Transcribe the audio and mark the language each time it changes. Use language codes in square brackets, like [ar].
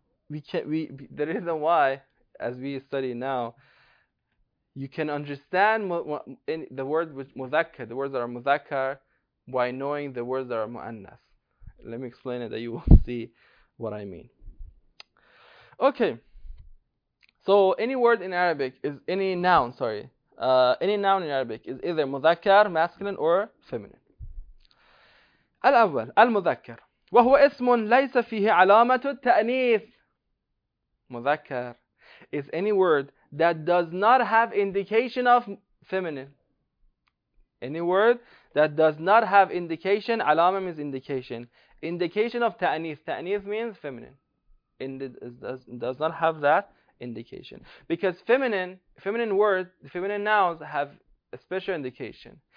[en] The reason why, as we study now, you can understand in the word mudhakkar, the words that are mudhakkar, by knowing the words that are mu'annath. Let me explain it, that you will see what I mean. Okay. So any word in Arabic is any noun in Arabic is either مذكر masculine or feminine. [ar] الأول المذكر وهو اسم ليس فيه علامة التأنيث. [en] مذكر is any word that does not have indication of feminine. Any word that does not have indication, علامة means indication. Indication of تأنيث. تأنيث means feminine. And it does not have that indication, because feminine words, feminine nouns have a special indication.